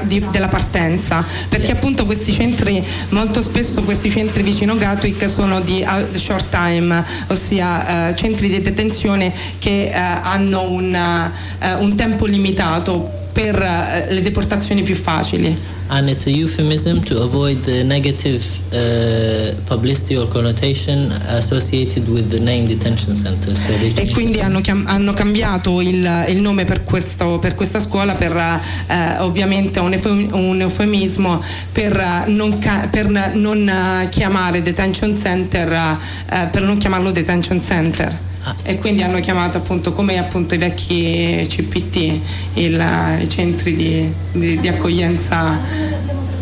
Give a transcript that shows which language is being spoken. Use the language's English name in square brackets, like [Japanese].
[Italian] della partenza, perché sì, appunto questi centri, molto spesso questi centri vicino Gatwick sono di short time, ossia centri di detenzione che hanno un tempo limitato per le deportazioni più facili. [English] And it's a euphemism to avoid the negative publicity or connotation associated with the name detention center. So they changed. [Italian] E quindi hanno cambiato il nome per questa scuola per ovviamente un eufemismo per non chiamarlo detention center. E quindi hanno chiamato appunto, come appunto i vecchi CPT, i centri di accoglienza.